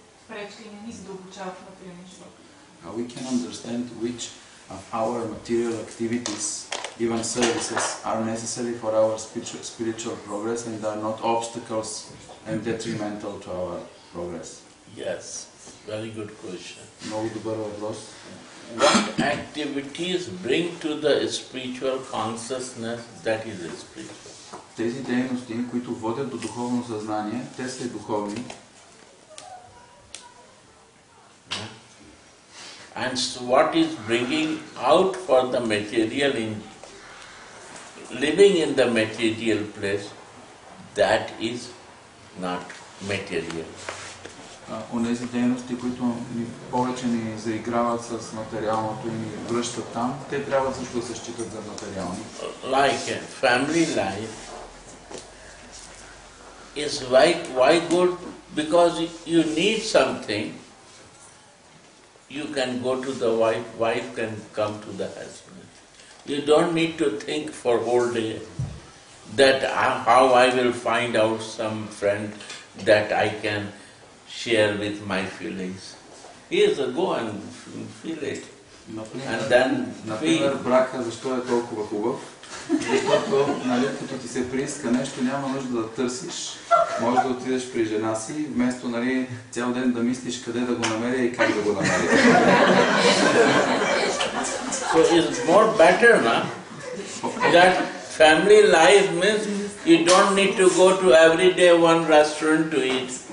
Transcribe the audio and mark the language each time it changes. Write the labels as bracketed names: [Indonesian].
[English] How we can understand which of our material activities, even services, are necessary for our spiritual progress and are not obstacles and detrimental to our progress? Yes, very good question. [Bulgarian] Много добър въпрос. [English] What activities bring to the spiritual consciousness that is spiritual? [Bulgarian] Тези дейности, които водят до духовно съзнание, те са духовни. [English] And so what is bringing out for the material in living in the material place, that is not material. [Bulgarian] Онези дейности, които ни повече ни заиграват с материалното и ни връщат там, те трябва също да се считат за материални. [English] Like family life is why good? Because you need something, you can go to the wife, wife can come to the husband. You don't need to think for whole day that how I will find out some friend that I can share with my feelings. Here's a go and feel it. And then [Bulgarian] например, брака, защо е толкова хубав? Защото, нали, като ти се прииска нещо, няма нужда да търсиш. Може да отидеш при жена си, вместо, нали, цял ден да мислиш къде да го намеря и как да го намеря. [English] So it's more better, no? That family life means you don't need to go to every day one restaurant to eat.